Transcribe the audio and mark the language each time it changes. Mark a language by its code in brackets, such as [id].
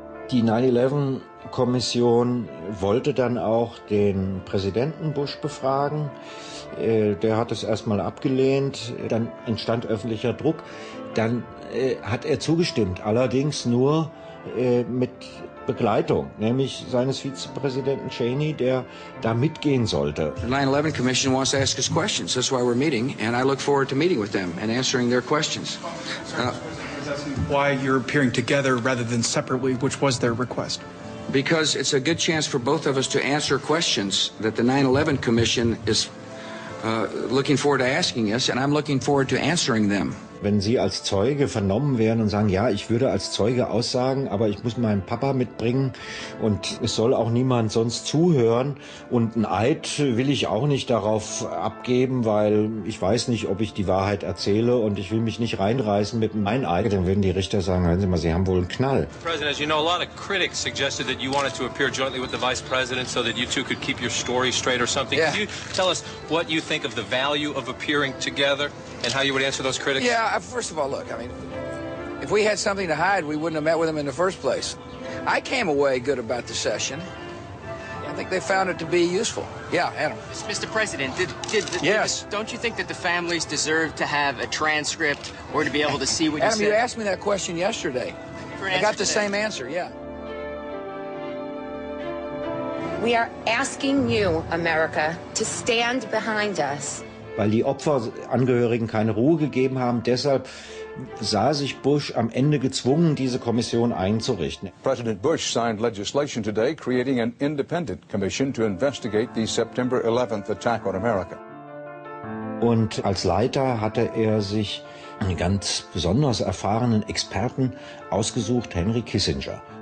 [de] Die 9/11 Kommission wollte dann auch den Präsidenten Bush befragen. Der hat es erstmal abgelehnt. Dann entstand öffentlicher Druck. Dann hat er zugestimmt, allerdings nur mit Begleitung, nämlich seines Vizepräsidenten Cheney, der da mitgehen sollte. [en] The 9/11 Commission wants to ask us questions. That's why we're meeting, and I look forward to meeting with them and answering their questions. Why you're appearing together rather than separately, which was their request? Because it's a good chance for both of us to answer questions that the 9/11 Commission is looking forward to asking us, and I'm looking forward to answering them. [de] Wenn Sie als Zeuge vernommen werden und sagen, ja, ich würde als Zeuge aussagen, aber ich muss meinen Papa mitbringen und es soll auch niemand sonst zuhören und ein Eid will ich auch nicht darauf abgeben, weil ich weiß nicht, ob ich die Wahrheit erzähle und ich will mich nicht reinreißen mit meinem Eid, dann würden die Richter sagen, hören Sie mal, Sie haben wohl einen Knall. Herr Präsident, [en] as you know, a lot of critics suggested that you wanted to appear jointly with the Vice President so that you two could keep your story straight or something. Yeah. Can you tell us what you think of the value of appearing together? And how you would answer those critics? Yeah, first of all, look, I mean, if we had something to hide, we wouldn't have met with them in the first place. I came away good about the session. I think they found it to be useful. Yeah, Adam. Mr. President, don't you think that the families deserve to have a transcript or to be able to see what Adam, you said? Adam, you asked me that question yesterday. I got the same answer, yeah. We are asking you, America, to stand behind us. [de] Weil die Opferangehörigen keine Ruhe gegeben haben. Deshalb sah sich Bush am Ende gezwungen, diese Kommission einzurichten. [en] President Bush signed legislation today creating an independent commission to investigate the September 11th attack on America. [de] Und als Leiter hatte er sich einen ganz besonders erfahrenen Experten ausgesucht, Henry Kissinger.